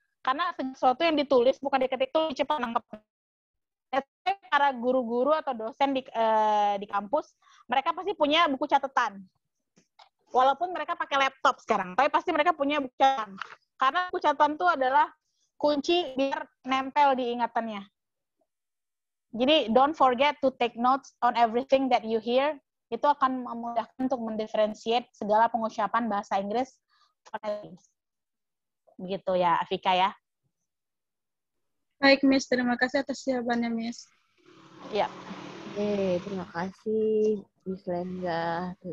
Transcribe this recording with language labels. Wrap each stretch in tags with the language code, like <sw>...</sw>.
<id>Karena sesuatu yang ditulis bukan diketik itu cepat nangkep. Para guru-guru atau dosen di kampus, mereka pasti punya buku catatan. Walaupun mereka pakai laptop sekarang, tapi pasti mereka punya buku catatan. Karena buku catatan itu adalah kunci biar nempel di ingatannya.</id> <en>Jadi, don't forget to take notes on everything that you hear.</en> <id>Itu akan memudahkan untuk mendiferensiate segala pengucapan bahasa Inggris. Begitu ya, Afika ya. Baik, Miss. Terima kasih atas jawabannya, Miss. Ya. Yeah. Oke, terima kasih, Miss Lenga.</id>